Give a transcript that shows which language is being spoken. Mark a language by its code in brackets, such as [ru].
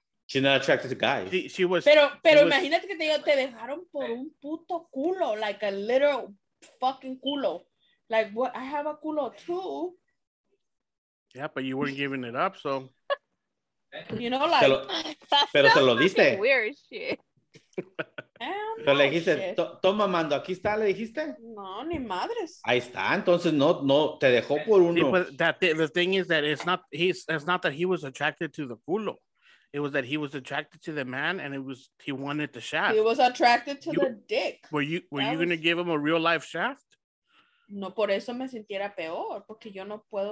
[en] she's not attracted to guys. She was. [es] Pero imagínate que te dejaron por un puto culo, [en] like a literal fucking culo. Like, what? I have a culo too. Yeah, but you weren't giving it up, so. You know, like. [es] Pero se lo diste. [en] Weird shit. [es] Pero le dijiste, toma mando, aquí está, le dijiste. No, ni madres. Ahí está, entonces no te dejó por uno. [en] See, but the thing is that it's not that he was attracted to the culo. It was that he was attracted to the man and he wanted the shaft. He was attracted to the dick. Were you going to give him a real life shaft? [es] No, por eso me sintiera peor, porque yo no puedo.